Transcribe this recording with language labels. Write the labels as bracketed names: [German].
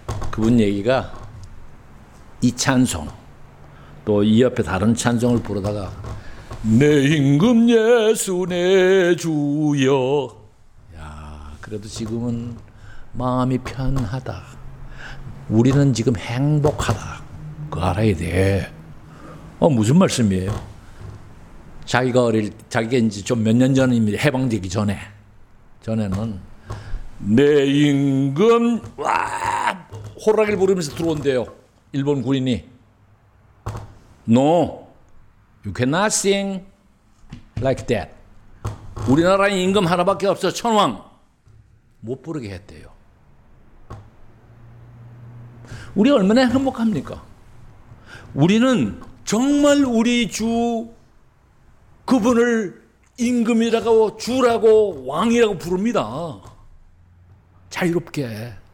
[Korean] 그분 얘기가 이 찬송, 또 이 옆에 다른 찬송을 부르다가 내 임금 예수 내 주여, 야 그래도 지금은 마음이 편하다, 우리는 지금 행복하다, 그거 알아야 돼. 무슨 말씀이에요? 자기가 어릴, 자기가 이제 좀 몇 년 전 이미 해방되기 전에, 전에는 내 임금 와 호락을 부르면서 들어온대요. 일본 군인이 [English] No, you cannot sing like that. [Korean] 우리나라에 임금 하나밖에 없어, 천황. 못 부르게 했대요. 우리 얼마나 행복합니까? 우리는 정말 우리 주 그분을 임금이라고, 주라고, 왕이라고 부릅니다. 자유롭게.